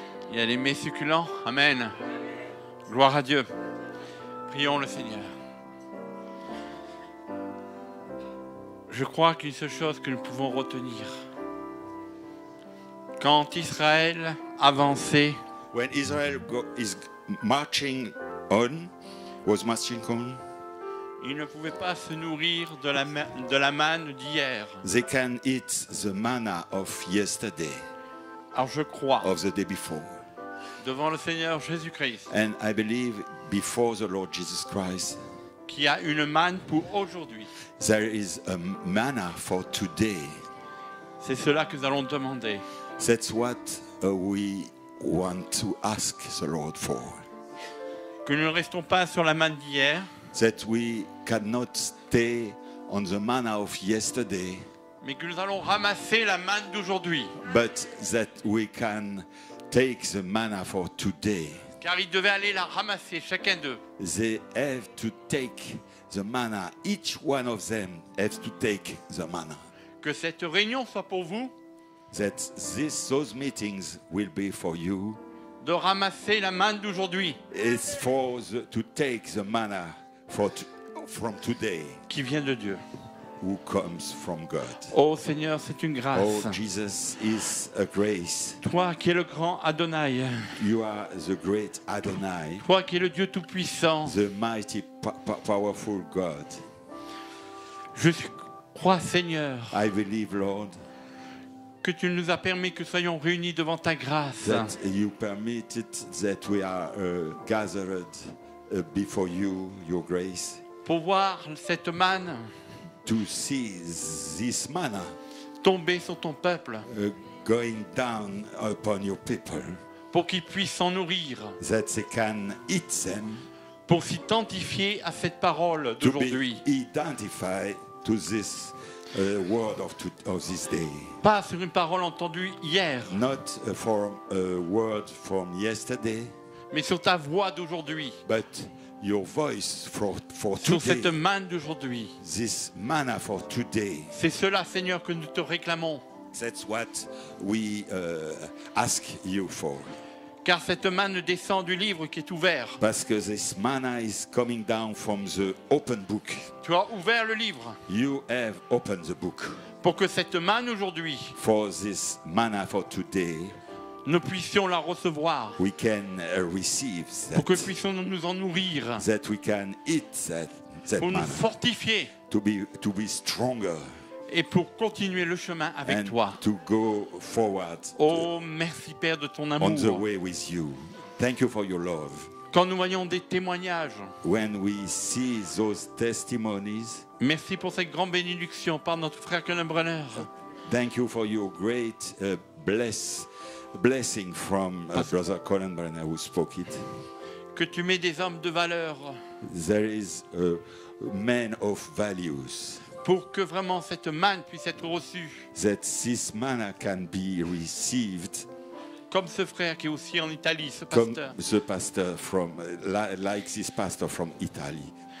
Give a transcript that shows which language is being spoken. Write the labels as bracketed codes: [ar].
[fr] Il y a des mets succulents. Amen. Gloire à Dieu. Prions le Seigneur. Je crois qu'une seule chose que nous pouvons retenir, quand Israël avançait, [en] when Israel is marching on, was marching on. [fr] Ils ne pouvaient pas se nourrir de la manne d'hier. [en] They can eat the manna of yesterday. [fr] Alors je crois. [en] Of the day before. [fr] Devant le Seigneur Jésus-Christ. [en] And I believe before the Lord Jesus Christ. [fr] Qui a une manne pour aujourd'hui. [en] There is a manna for today. [fr] C'est cela que nous allons demander. [en] That's what we want to ask the Lord for. [fr] Que nous ne restons pas sur la manne d'hier. [en] That we cannot stay on the manna of yesterday. [fr] Mais que nous allons ramasser la manne d'aujourd'hui. [en] But that we can take the manna for today. [fr] Car ils devaient aller la ramasser chacun d'eux. [en] They have to take the manna. Each one of them has to take the manna. [fr] Que cette réunion soit pour vous. [en] That those meetings will be for you. [fr] De ramasser la manne d'aujourd'hui. [en] It's for to take the manna from today. [fr] Qui vient de Dieu. [en] Who comes from God. [fr] Oh Seigneur, c'est une grâce. [en] Oh Jesus is a grace. [fr] Toi qui es le grand Adonai. [en] You are the great Adonai. [fr] Toi qui es le Dieu tout puissant. [en] The mighty, powerful God. [fr] Je crois, Seigneur. [en] I believe, Lord. [fr] Que tu nous as permis que soyons réunis devant ta grâce. [en] That you permitted that we are gathered before you, your grace. [fr] Pour voir cette manne. [en] To see this manna. [fr] Tomber sur ton peuple. [en] Going down upon your people. [fr] Pour qu'ils puissent s'en nourrir. [en] That they can eat them. [fr] Pour s'identifier à cette parole d'aujourd'hui. [en] To be identified to this. Word of this day. [fr] Pas sur une parole entendue hier. [en] Not for a word from yesterday. [fr] Mais sur ta voix d'aujourd'hui. [en] But your voice for [fr] sur [en] today. [fr] Sur cette manne d'aujourd'hui. [en] This manna for today. [fr] C'est cela, Seigneur, que nous te réclamons. [en] That's what we ask you for. [fr] Car cette manne descend du livre qui est ouvert. Parce que [en] this manna is coming down from the open book. [fr] Tu as ouvert le livre. [en] You have opened the book. [fr] Pour que cette manne aujourd'hui. [en] For this manna for today. [fr] Nous puissions la recevoir. [en] We can receive that. [fr] Pour que puissions nous en nourrir. [en] That we can eat that [fr] pour [en] manna. [fr] Pour nous fortifier. [en] To be stronger. [fr] Et pour continuer le chemin avec [en] and [fr] toi. [en] To go forward. [fr] Oh, merci Père de ton amour. [en] On the way with you. Thank you for your love. [fr] Quand nous voyons des témoignages, [en] when we see those testimonies, [fr] merci pour cette grande bénédiction par notre frère Kenneth Brenner. [en] Thank you for your great blessing from brother Colin Brenner who spoke it. [fr] Que tu mets des hommes de valeur. [en] There is a man of values. [fr] Pour que vraiment cette manne puisse être reçue. [en] That this manna can be received. [fr] Comme ce frère qui est aussi en Italie, ce pasteur. Comme ce pasteur [en] from like this pastor from Italy.